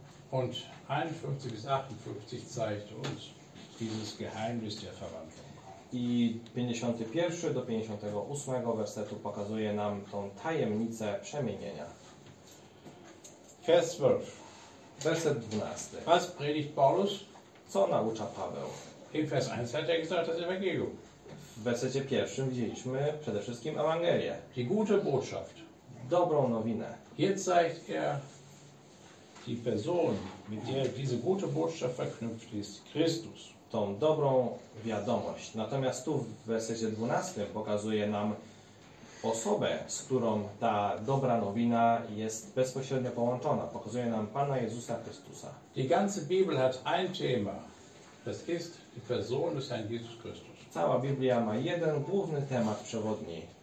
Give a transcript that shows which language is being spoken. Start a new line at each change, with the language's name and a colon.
German: Und 51 bis 58 zeigt uns dieses Geheimnis der Verwandlung.
Polish: I 51 do 58 wersetu pokazuje nam tą tajemnicę przemienienia.
German: Vers 12.
Polish: Werset 12.
German: Was predigt Paulus?
Polish: Co naucza Paweł?
German: In Vers 1 hat er gesagt, das Evangelium.
Polish: W wersecie pierwszym widzieliśmy przede wszystkim Ewangelię.
German: Die gute Botschaft.
Polish: Dobrą nowinę.
German: Jetzt zeigt er die Person, mit der diese gute Botschaft verknüpft ist, Christus.
Polish: Tą dobrą wiadomość. Natomiast tu w wersecie 12 pokazuje nam osobę, z którą ta dobra nowina jest bezpośrednio połączona. Pokazuje nam Pana Jezusa Chrystusa.
German: Die ganze Bibel hat ein Thema. Das ist die Person des Herrn Jesus Christus.
Polish: Cała Biblia ma jeden główny temat przewodni.